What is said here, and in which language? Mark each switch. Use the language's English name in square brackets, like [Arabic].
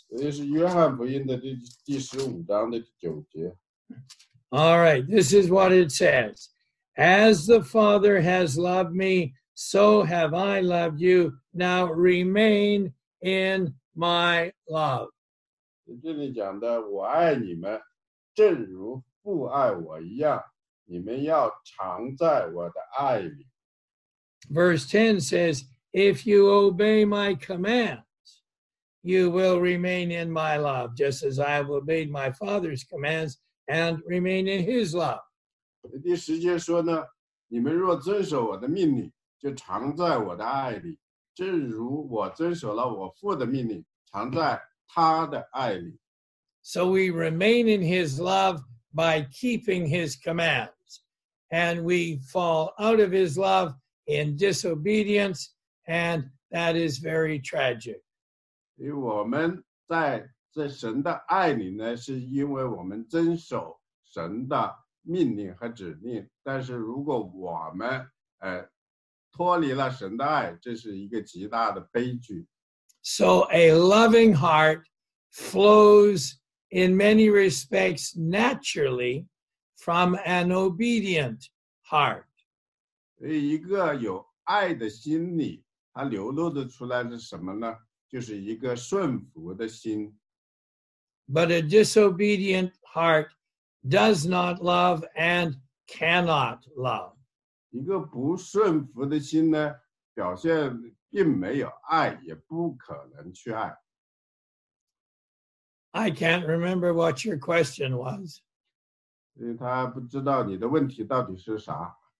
[Chinese] 这是约翰福音的第十五章的第九节。 [English] All right, this is what it says. As the Father has loved me, so have I loved you. Now remain in my love. [Chinese] 这里讲的，我爱你们，正如父爱我一样，你们要常在我的爱里。 [English] Verse 10 says, if you obey my commands, you will remain in my love, just as I have obeyed my Father's commands and remain in his love. [Chinese] 第十节说呢，你们若遵守我的命令，就常在我的爱里，正如我遵守了我父的命令，常在他的爱里。 [English] So we remain in his love by keeping his commands, and we fall out of his love in disobedience, and that is very tragic. [Chinese] 因为我们在这神的爱里呢，是因为我们遵守神的命令和指令，但是如果我们脱离了神的爱，这是一个极大的悲剧。 [English] So a loving heart flows in many respects naturally from an obedient heart. [Chinese] 一个有爱的心里，它流露的出来是什么呢？就是一个顺服的心。 [English] But a disobedient heart does not love and cannot love. [Chinese] 一个不顺服的心呢，表现并没有爱，也不可能去爱。 [English] I can't remember what your question was. [Chinese] 因为他不知道你的问题到底是啥。